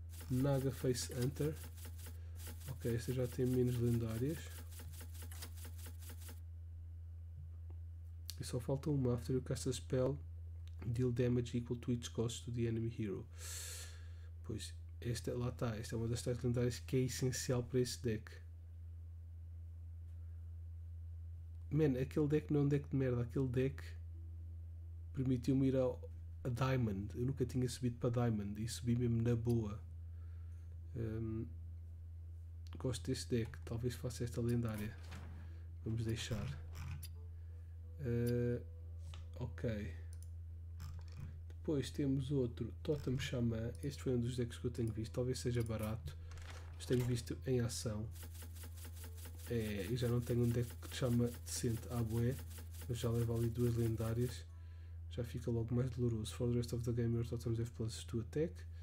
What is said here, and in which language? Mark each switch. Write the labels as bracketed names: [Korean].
[Portuguese] Naga Face Hunter. Ok, esta já tem menos lendárias. só falta uma. [English] After you cast a spell, deal damage equal to each cost to the enemy hero. [Portuguese] Pois, esta, lá está. Esta é uma das três lendárias que é essencial para esse deck. Man, aquele deck não é um deck de merda. Aquele deck permitiu-me ir ao a Diamond. Eu nunca tinha subido para Diamond e subi mesmo na boa. Gosto desse deck. Talvez faça esta lendária. Vamos deixar. Ok. Depois temos outro Totem Xamã. Este foi um dos decks que eu tenho visto. Talvez seja barato, mas tenho visto em ação. É, eu já não tenho um deck que te chama decente à bué, mas já leva ali duas lendárias. Já fica logo mais doloroso. [English] For the rest of the game, your totems have plus 2 attack.